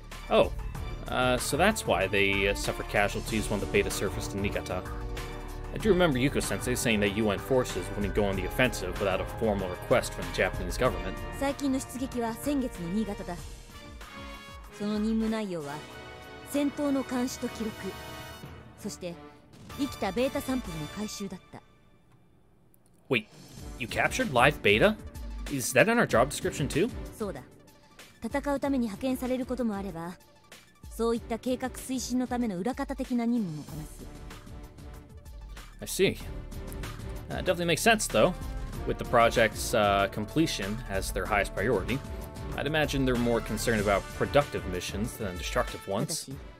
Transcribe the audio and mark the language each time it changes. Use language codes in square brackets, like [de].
[en] Oh, so that's why they suffered casualties when the Beta surfaced in Niigata. I do remember Yuko-sensei saying that UN forces wouldn't go on the offensive without a formal request from the Japanese government. [ja] 最近の出撃は先月の新潟だ。その任務内容は 戦闘の監視と記録、 そして生きたベータサンプルの回収だった。 [en] Wait, you captured live beta? Is that in our job description too? [ja] そうだ。戦うために派遣されることもあれば、 そういった計画推進のための裏方的な任務もこなす。 [en] I see. That definitely makes sense though, with the project's completion as their highest priority. I'd imagine they're more concerned about productive missions than destructive ones.